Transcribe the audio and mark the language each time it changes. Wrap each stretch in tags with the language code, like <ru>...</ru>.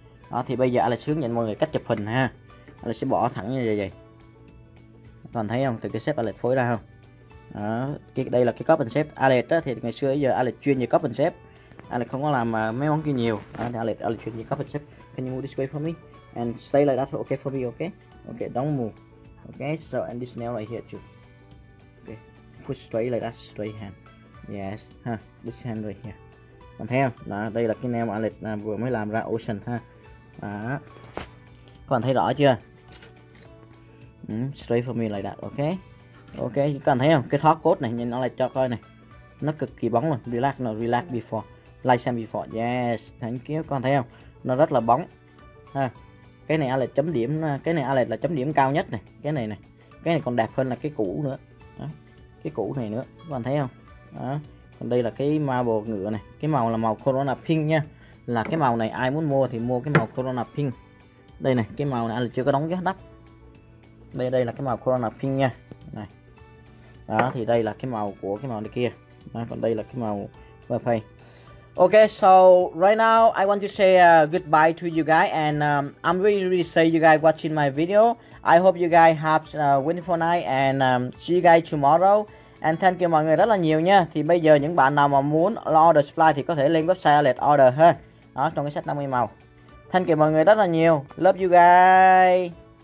<vi>Đó, thì bây giờ Alex hướng dẫn mọi người cách chụp hình ha. Alex sẽ bỏ thẳng như vậy. Các bạn thấy không? Từ cái shape Alex phối ra không? Đó, đây là cái copy and shape Alex đó, thì ngày xưa giờ Alex chuyên về copy and shape. Alex không có làm mấy món kia nhiều.</vi> <en>Alex chuyên về copy and shape. Can you move this way for me? And stay like that okay for me, okay? Okay, don't move. Okay, so and this nail right here too. Okay, put straight like that, straight hand. Yes, ha, huh. This hand right here. Còn thấy không?</en> <vi>Đó, đây là cái nail mà Alex vừa mới làm ra ocean ha. Đó. Các bạn thấy rõ chưa? Straight for me like that, okay? Ok, các bạn thấy không? Cái top coat này, nhìn nó lại cho coi này. Nó cực kỳ bóng luôn. Relax, no, relax before. Like xem before. Yes, thank you. Các bạn thấy không? Nó rất là bóng. Ha. Cái này Alex chấm điểm, cái này Alex là chấm điểm cao nhất này. Cái này này. Cái này còn đẹp hơn là cái cũ nữa. Đó. Cái cũ này nữa. Các bạn thấy không? Đó. Còn đây là cái marble ngựa này. Cái màu là màu Corona Pink nha. Là cái màu này ai muốn mua thì mua cái màu Corona Pink. Đây này, cái màu này Alex chưa có đóng cái nắp. Đây là cái màu Corona Pink nha. Này. Đó, thì đây là cái màu của cái màu này kia. Đó, còn đây là cái màu perfect.</vi> <en>Ok, so right now I want to say goodbye to you guys. And I'm really really say you guys watching my video. I hope you guys have a wonderful night. And see you guys tomorrow.</en> <vi>And thank you mọi người rất là nhiều nha. Thì bây giờ những bạn nào mà muốn order supply thì có thể lên website Alex order ha. Đó, trong cái set 50 màu. Thank you mọi người rất là nhiều. Love you guys.</vi>